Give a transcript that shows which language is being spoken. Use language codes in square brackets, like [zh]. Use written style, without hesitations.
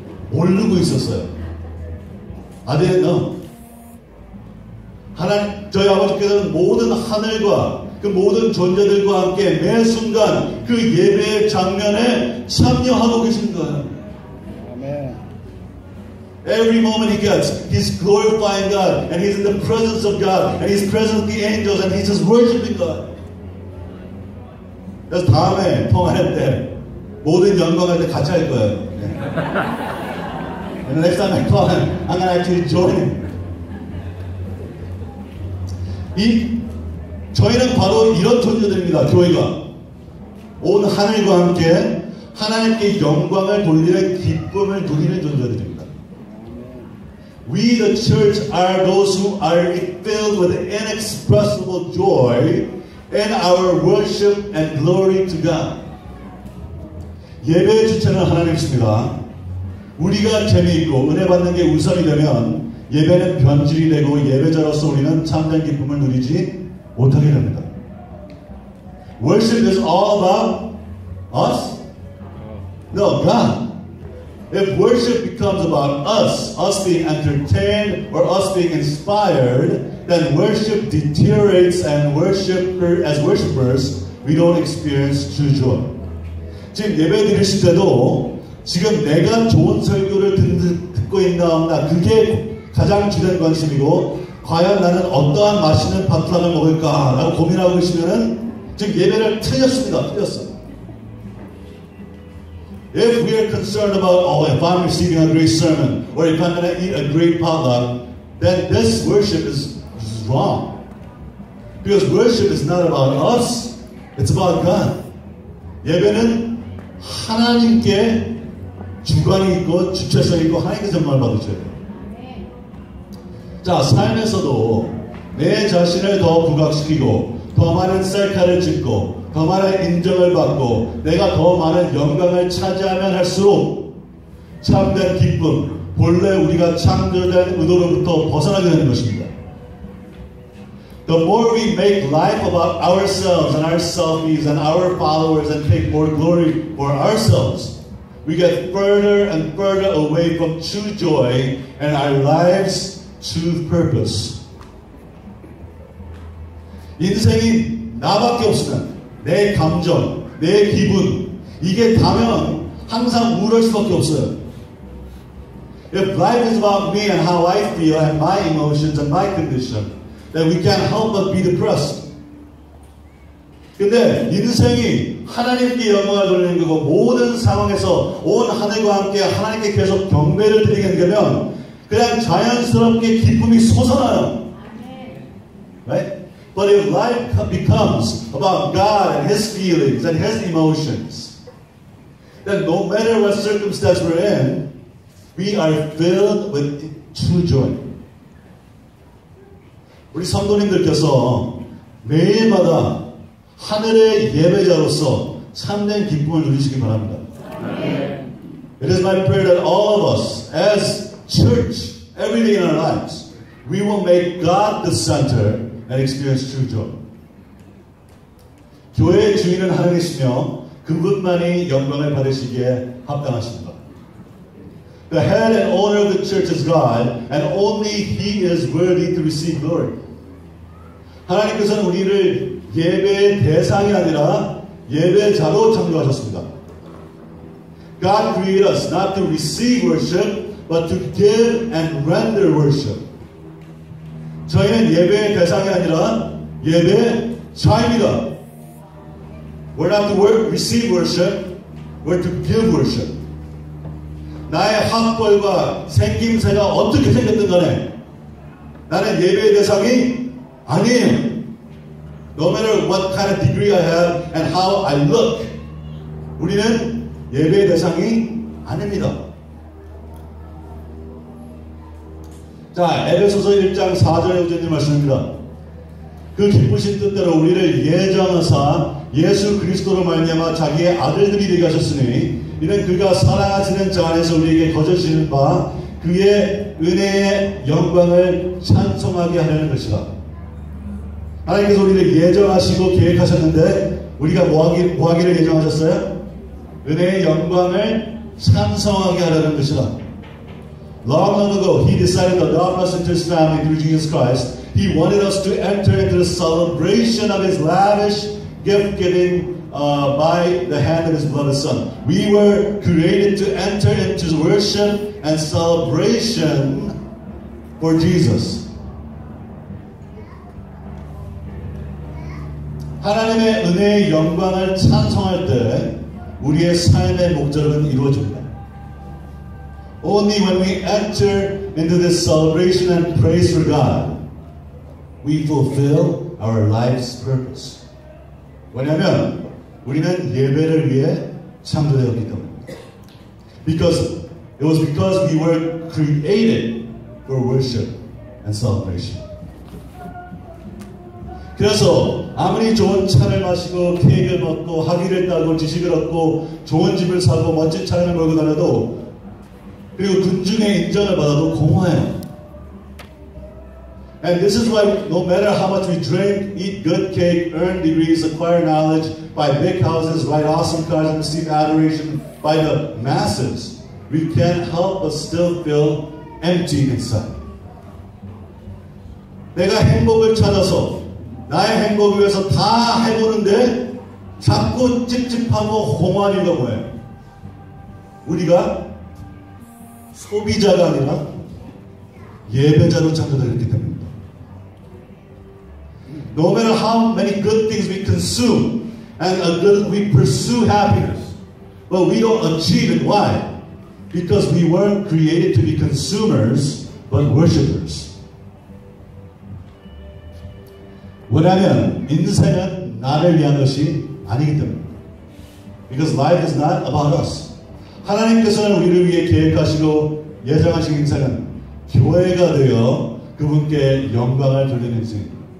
[ko] 모르고 있었어요. [en] I didn't know. [ko] 하나님, 저희 아버지께서는 모든 하늘과 그 모든 존재들과 함께 매 순간 그 예배의 장면에 참여하고 계신 거예요. [en] Every moment he gets, he's glorifying God, and he's in the presence of God, and he's present with the angels, and he's just worshiping God. [ko] 그래서 다음에 통화할 때 모든 영광할 때 같이 할 거예요. [en] And the next time I call him, I'm gonna actually join him. [ko] 이 저희는 바로 이런 존재들입니다. 교회가 온 하늘과 함께 하나님께 영광을 돌리는 기쁨을 누리는 존재들입니다. [en] We the church are those who are filled with inexpressible joy in our worship and glory to God. [ko] 예배의 주체는 하나님이십니다. 우리가 재미있고 은혜 받는 게 우선이 되면 예배는 변질이 되고 예배자로서 우리는 참된 기쁨을 누리지 못하게 됩니다. [en] Worship is all about us? No, God. If worship becomes about us being entertained or us being inspired, then worship deteriorates and as worshipers, we don't experience true joy. [ko] 지금 예배 드리실 때도 지금 내가 좋은 설교를 듣고 있나 없나 그게 가장 중요한 관심이고 과연 나는 어떠한 맛있는 밥을 먹을까 라고 고민하고 계시면은 지금 예배를 틀렸어. [en] If we are concerned about, oh, if I'm receiving a great sermon, or if I'm going to eat a great potluck, then this worship is wrong. Because worship is not about us, it's about God. [ko] 예배는 하나님께 주관이 있고 주체성이 있고 하나님께 전망을 받으셔야 돼요. 자, 삶에서도 내 자신을 더 부각시키고 더 많은 셀카를 찍고 더 많은 인정을 받고 내가 더 많은 영광을 차지하면 할수록 참된 기쁨, 본래 우리가 창조된 의도로부터 벗어나게 되는 것입니다. [en] The more we make life about ourselves and our selfies and our followers and take more glory for ourselves, we get further and further away from true joy and our lives' true purpose. [ko] 인생이 나밖에 없으면 내 감정, 내 기분 이게 다면 항상 우울할 수밖에 없어요. [en] If life is about me and how I feel and my emotions and my condition, then we can't help but be depressed. [ko] 근데 인생이 하나님께 영광을 돌리는 거고 모든 상황에서 온 하늘과 함께 하나님께 계속 경배를 드리게 되면 그냥 자연스럽게 기쁨이 솟아나요. [en] Right? But if life becomes about God and His feelings and His emotions, then no matter what circumstance we're in, we are filled with true joy. [ko] 우리 성도님들께서 매일마다 하늘의 예배자로서 참된 기쁨을 누리시기 바랍니다. [en] Amen. It is my prayer that all of us, as church, every day in our lives, we will make God the center and experience true joy. [ko] 교회의 주인은 하나님이시며 그분만이 영광을 받으시기에 합당하십니다. [en] The head and owner of the church is God, and only He is worthy to receive glory. [ko] 하나님께서는 우리를 예배의 대상이 아니라 예배자로 창조하셨습니다. [en] God created us not to receive worship, but to give and render worship. [ko] 저희는 예배의 대상이 아니라 예배의 자입니다. [en] We're not to receive worship, we're to give worship. [ko] 나의 학벌과 생김새가 어떻게 생겼든 간에 나는 예배의 대상이 아니에요. [en] No matter what kind of degree I have and how I look, [ko] 우리는 예배의 대상이 아닙니다. 자, 에베소서 1장 4절의 구절 말씀입니다. 그 기쁘신 뜻대로 우리를 예정하사 예수 그리스도로 말미암아 자기의 아들들이 되게 하셨으니 이는 그가 사랑하시는 자 안에서 우리에게 거저시는 바 그의 은혜의 영광을 찬송하게 하려는 것이다. 하나님께서 우리를 예정하시고 계획하셨는데 우리가 뭐하기를 예정하셨어요? 은혜의 영광을 찬송하게 하려는 것이다. [en] Long, long ago, he decided to adopt us into his family through Jesus Christ. He wanted us to enter into the celebration of his lavish gift-giving by the hand of his beloved Son. We were created to enter into worship and celebration for Jesus. [ko] 하나님의 은혜의 영광을 찬송할 때 우리의 삶의 목적은 이루어집니다. [en] Only when we enter into this celebration and praise for God, we fulfill our life's purpose. [ko] 왜냐하면 우리는 예배를 위해 창조되었기 때문입니다. [en] It was because we were created for worship and celebration. [ko] 그래서 아무리 좋은 차를 마시고 케이크를 먹고 학위를 따고 지식을 얻고 좋은 집을 사고 멋진 차량을 몰고 다녀도 그리고 군중의 인정을 받아도 공허해요. [en] And this is why no matter how much we drink, eat good cake, earn degrees, acquire knowledge, buy big houses, ride awesome cars, and receive adoration by the masses, we can't help but still feel empty inside. [ko] 내가 행복을 찾아서 나의 행복을 위해서 다 해보는데 자꾸 찝찝하고 공허한 게 뭐예요? 우리가 소비자가 아니라 예배자로 창조되었기 때문입니다. [en] No matter how many good things we consume and we pursue happiness, but we don't achieve it. Why? Because we weren't created to be consumers, but worshipers. [ko] 왜냐하면 인생은 나를 위한 것이 아니기 때문입니다. [en] Because life is not about us. [ko] 하나님께서는 우리를 위해 계획하시고 예정하신 인생은 교회가 되어 그분께 영광을 돌리는 인생입니다.